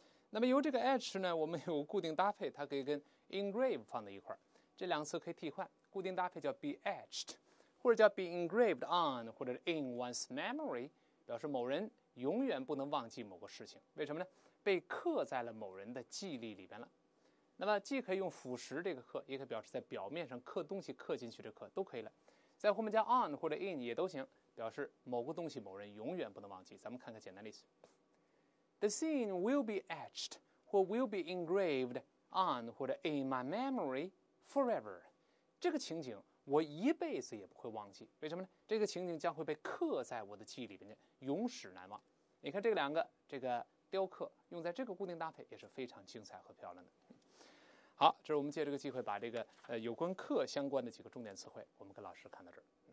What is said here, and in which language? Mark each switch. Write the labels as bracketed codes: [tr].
[zh] 那么由这个 etch 呢，我们有固定搭配，它可以跟 engrave 放在一块，这两次可以替换，固定搭配叫 [en] be etched， [zh] 或者叫 [en] be engraved on， [zh] 或者 [en] in one's memory， [zh] 表示某人永远不能忘记某个事情，为什么呢？被刻在了某人的记忆里边了。那么既可以用腐蚀这个刻，也可以表示在表面上刻东西刻进去的刻，都可以了，在后面加 on 或者 in 也都行，表示某个东西某人永远不能忘记。咱们看看简单例子， [en] The scene will be etched or will be engraved on or in my memory forever. [zh] 这个情景我一辈子也不会忘记。为什么呢？这个情景将会被刻在我的记忆里面，永始难忘。你看这两个，这个雕刻用在这个固定搭配也是非常精彩和漂亮的。好，这是我们借这个机会把这个有关刻相关的几个重点词汇我们跟老师看到这儿。